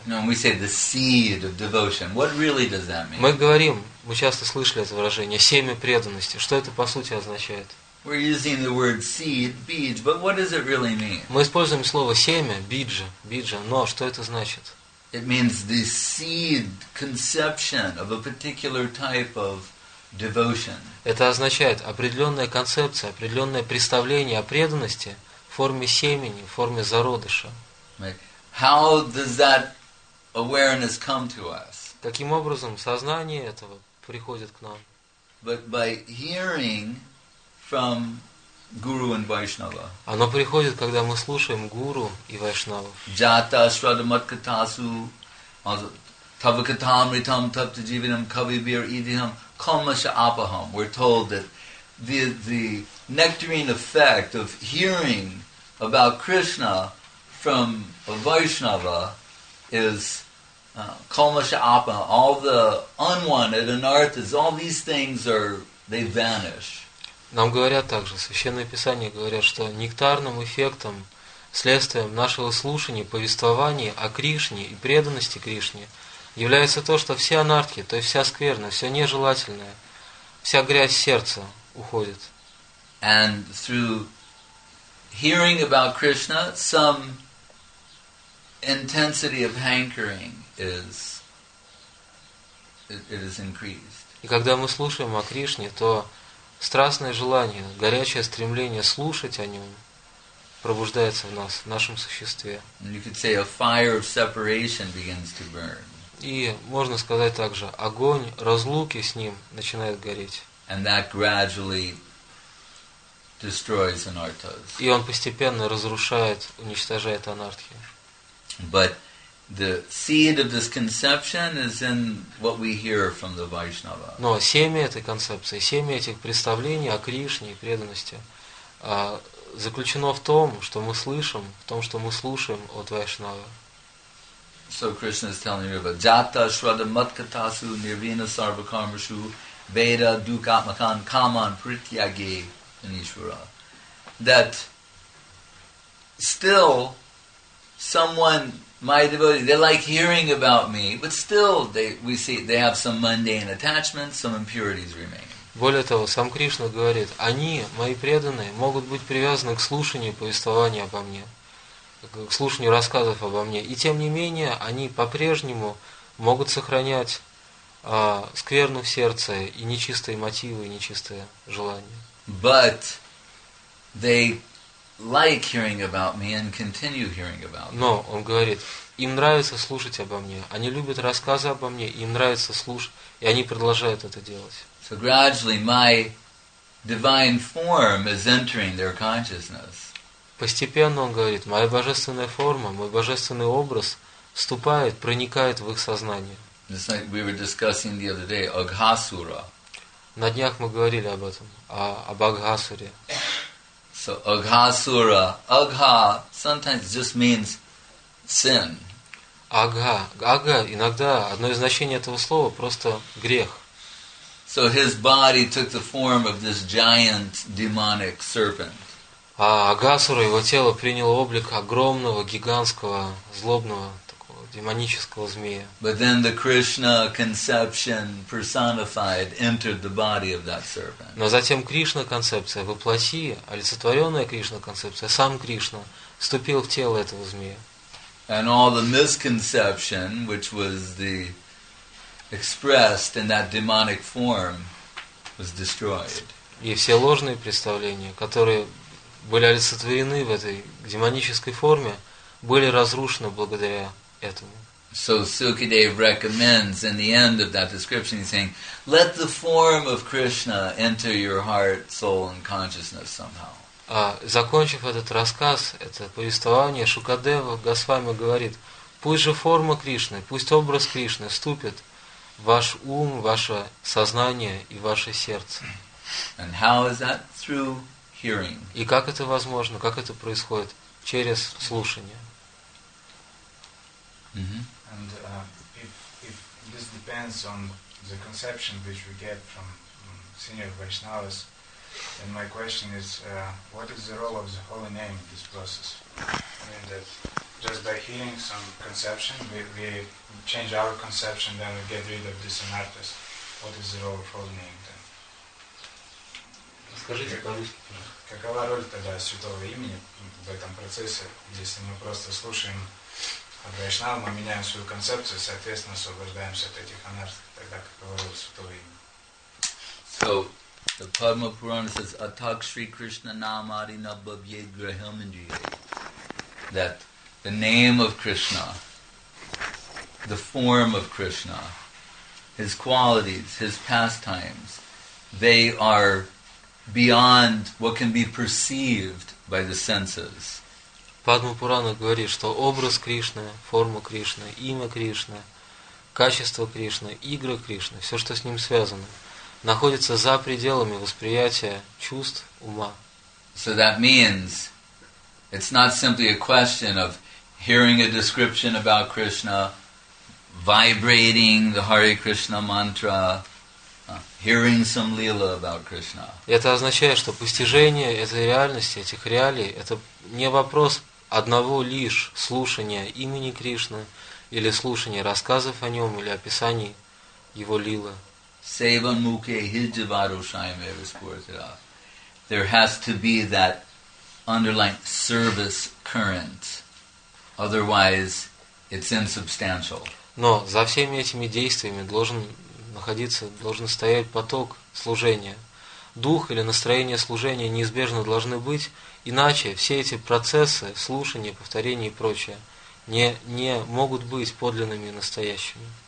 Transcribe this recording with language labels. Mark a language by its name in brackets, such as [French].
[English] No, we say the seed of devotion. What really does that mean? [Russian] Мы говорим, мы часто слышали это выражение, семя преданности. Что это по сути означает? [English] We're using the word seed, bij, but what does it really mean? [Russian] Мы используем слово семя, биджа, но что это значит? [English] It means the seed conception of a particular type of devotion. [Russian] Это означает определенная концепция, определенное представление о преданности в форме семени, в форме зародыша. [English] How does that awareness come to us? [Russian] Каким образом сознание этого приходит к нам? [English] But by hearing from Guru and Vaishnava. [Russian] Оно приходит, когда мы слушаем Гуру и Вайшнава. [Sanskrit] Jata Shraddha Matkatasu Tavakatamritam Taptajivinam Kavibir Idiham. [English] We're told that the nectarine effect of hearing about Krishna from a Vaishnava is [Sanskrit] kalmasha apaha. [English] All the unwanted anarthas, all these things are, they vanish. [Russian] Нам говорят также, Священное Писание говорят, что нектарным эффектом, следствием нашего слушания, повествования о Кришне и преданности Кришне является то, что все анартхи, то есть вся скверна, все нежелательное, вся грязь сердца уходит. [English] And through hearing about Krishna, some intensity of hankering is increased. [Russian] И когда мы слушаем о Кришне, то страстное желание, горячее стремление слушать о нем пробуждается в нас, в нашем существе. [English] And you could say a fire of separation begins to burn. [Russian] И можно сказать также, огонь разлуки с ним начинает гореть. [English] And that gradually destroys anarthas. [Russian] И он постепенно разрушает, уничтожает анартхи. [English] But the seed of this conception is in what we hear from the Vaishnava. [Russian] Но семя этой концепции, семя этих представлений о Кришне и преданности заключено в том, что мы слышим, в том, что мы слушаем от Вайшнава. [English] So Krishna is telling you about [Sanskrit] jata shraddha matkatasu nirvina sarvakarmashu veda dukatmakan kaman prityage anishvara. [English] That still someone, my devotee, they like hearing about me, but still they have some mundane attachments, some impurities remain. [Russian] Более того, сам Кришна говорит, они, мои преданные, могут быть привязаны к слушанию повествования обо мне, к слушанию рассказов обо мне, и тем не менее, они по-прежнему могут сохранять скверну в сердце и нечистые мотивы, и нечистые желания. [English] But they like hearing about me and continue hearing about me. [Russian] Но, он говорит, им нравится слушать обо мне, они любят рассказы обо мне, им нравится слушать, и они продолжают это делать. [English] So gradually my divine form is entering their consciousness. [Russian] Постепенно, он говорит, моя божественная форма, мой божественный образ вступает, проникает в их сознание. [English] Just like we were discussing the other day, Aghasura. [Russian] На днях мы говорили об этом, об Аггасуре. [English] So Aghasura, Agha sometimes just means sin. [Russian] Agha иногда одно из значений этого слова просто грех. [English] So his body took the form of this giant demonic serpent. [Russian] А Агасура, его тело приняло облик огромного, гигантского, злобного, такого демонического змея. [English] But then the Krishna conception personified entered the body of that serpent. [Russian] Но затем Кришна концепция, воплоти, олицетворенная Кришна концепция, сам Кришна вступил в тело этого змея. [English] And all the misconception, which was the expressed in that demonic form, was destroyed. [Russian] И все ложные представления, которые были олицетворены в этой демонической форме, были разрушены благодаря этому. [English] So Sukadev recommends in the end of that description, he's saying, let the form of Krishna enter your heart, soul, and consciousness somehow. [Russian] А закончив этот рассказ, это повествование, Шукадева Госвами говорит, пусть же форма Кришны, пусть образ Кришны вступит ваш ум, ваше сознание и ваше сердце. [English] And how is that through hearing? [Russian] И как это возможно, как это происходит? Через слушание. [English] And if this depends on the conception which we get from senior Vaishnavas, then my question is, what is the role of the holy name in this process? I mean that just by hearing some conception, we change our conception, then we get rid of this anarthas. What is the role of holy name then? [Russian] Скажите, какова роль тогда святого имени в этом процессе, если мы просто слушаем Вайшнава, мы меняем свою концепцию, соответственно, освобождаемся от этих анарх, тогда какова роль святого имени? [English] So, the Padma Purana says, [Sanskrit] Atak Shri Krishna Namari Nabhavye Grahamindriye. [English] That the name of Krishna, the form of Krishna, his qualities, his pastimes, they are beyond what can be perceived by the senses. [Russian] Padma Purana говорит, что образ Кришны, форма Кришны, имя Кришны, качество Кришны, игры Кришны, все, что с ним связано, находится за пределами восприятия чувств ума. [English] So that means it's not simply a question of hearing a description about Krishna, vibrating the Hare Krishna mantra, hearing some lila about Krishna. [Russian] Это означает, что постижение этой реальности, этих реалий, это не вопрос одного лишь слушания имени Кришны или слушания рассказов о нем или описаний его лилы. [Sanskrit] Sevan mukhe hijavaru shayame vispurthira. [English] There has to be that underlying service current. Otherwise, it's insubstantial. [Russian] Но за всеми этими действиями должен стоять поток служения. Дух или настроение служения неизбежно должны быть, иначе все эти процессы, слушания, повторения и прочее не могут быть подлинными и настоящими.